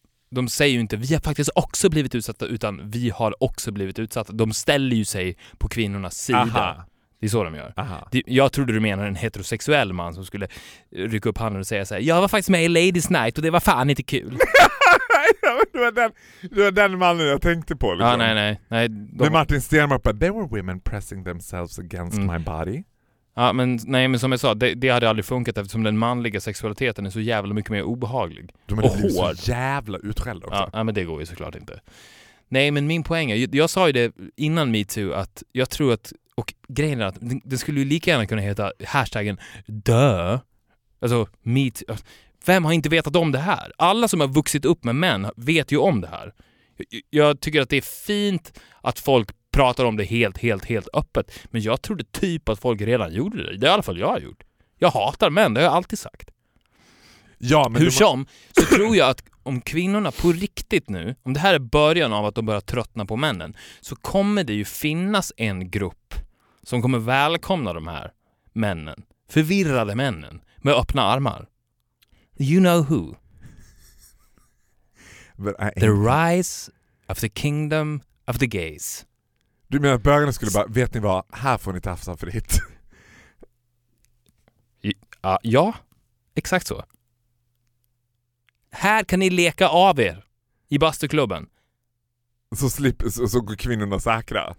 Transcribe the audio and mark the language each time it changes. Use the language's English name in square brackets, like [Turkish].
[Swedish] De säger ju inte, vi har faktiskt också blivit utsatta, utan vi har också blivit utsatta. De ställer ju sig på kvinnornas sida. Aha. Det är så de gör. Aha. Jag trodde du menade en heterosexuell man som skulle rycka upp handen och säga så här, jag var faktiskt med i Ladies Night och det var fan inte kul. det var den mannen jag tänkte på. Liksom. Ja, nej. [English] Men Martin Stenmark, but there were women pressing themselves against my body. [Swedish] Ja, men nej, men som jag sa, det hade aldrig funkat eftersom den manliga sexualiteten är så jävla mycket mer obehaglig. De och hård. Så jävla utskällda också. Ja, men det går ju såklart inte. Nej, men min poäng är, jag sa ju det innan Me Too, att jag tror att, och grejen är att det skulle ju lika gärna kunna heta hashtaggen dö. Alltså, Me Too. Vem har inte vetat om det här? Alla som har vuxit upp med män vet ju om det här. Jag tycker att det är fint att folk pratar om det helt öppet. Men jag trodde typ att folk redan gjorde det. Det är i alla fall jag har gjort. Jag hatar män, det har jag alltid sagt. Ja, men hur som, så tror jag att om kvinnorna på riktigt nu, om det här är början av att de börjar tröttna på männen, så kommer det ju finnas en grupp som kommer välkomna de här männen. Förvirrade männen med öppna armar. [English] You know who? The rise of the kingdom of the gays. [Swedish] Du menar att bögarna skulle bara, vet ni vad, här får ni tafsa fritt. Ja, exakt så. Här kan ni leka av er i bastuklubben. Så går kvinnorna säkra.